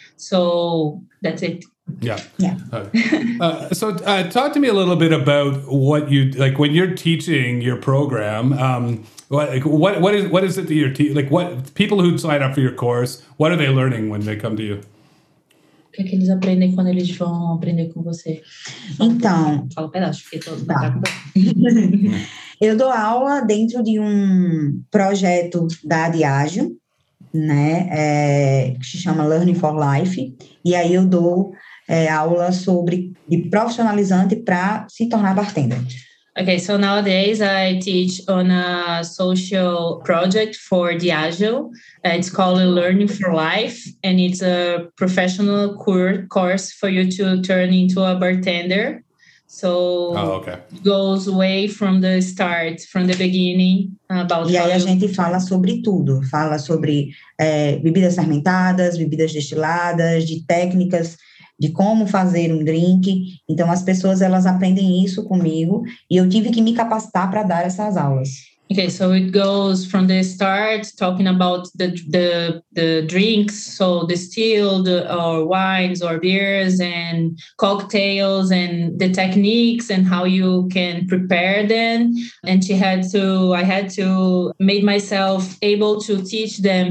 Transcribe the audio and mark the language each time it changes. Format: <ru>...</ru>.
<en>So that's it. Yeah. So talk to me a little bit about what you like when you're teaching your program. What is it that you're teaching? Like, what people who sign up for your course, what are they learning when they come to you?</en> <pt>O que, é que eles aprendem quando eles vão aprender com você? Então... Fala um pedaço, porque tô... Tá. Eu dou aula dentro de um projeto da Adiágio, né? Que se chama Learning for Life. E aí eu dou aula sobre de profissionalizante para se tornar bartender.</pt> <en>Okay, so nowadays I teach on a social project for Diageo. It's called Learning for Life, and it's a professional course for you to turn into a bartender. So okay. It goes way from the start, from the beginning.</en> <pt>A gente fala sobre tudo. Fala sobre bebidas fermentadas, bebidas destiladas, de técnicas de como fazer drink. Então, as pessoas, elas aprendem isso comigo e eu tive que me capacitar para dar essas aulas.</pt> <en>Okay, so it goes from the start, talking about the drinks, so distilled or wines or beers and cocktails and the techniques and how you can prepare them. And I had to make myself able to teach them.</en>